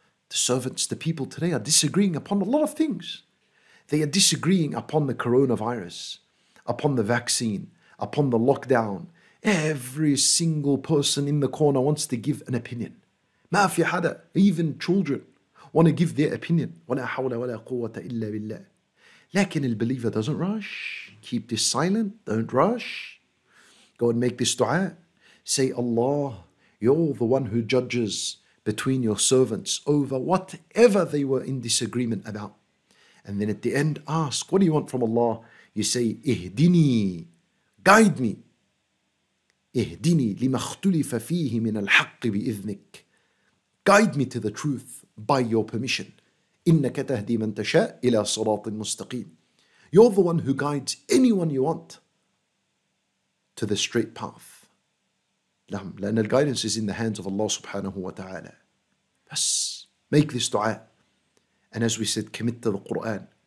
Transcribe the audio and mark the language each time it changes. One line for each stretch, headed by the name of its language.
English: The servants, the people today are disagreeing upon a lot of things. They are disagreeing upon the coronavirus, upon the vaccine, upon the lockdown. Every single person in the corner wants to give an opinion.
Arabic: ما في حدا,
English: even children want to give their opinion.
Arabic: ولا حول ولا قوة إلا بالله.
English: لكن the believer doesn't rush. Keep this silent. Don't rush. Go and make this dua. Say, Allah, You're the one who judges between your servants over whatever they were in disagreement about. And then at the end, ask, what do you want from Allah? You say, اهدني, guide me.
Arabic: اهدني لما اختلف فيه من الحق بإذنك.
English: Guide me to the truth by your permission.
Arabic: إِنَّكَ تَهْدِي مَنْ تَشَاءِ إِلَى صِرَاطٍ مُسْتَقِيمٍ.
English: You're the one who guides anyone you want to the straight path. لأن the guidance is in the hands of Allah subhanahu wa ta'ala. Make this dua. And as we said, commit to the Qur'an.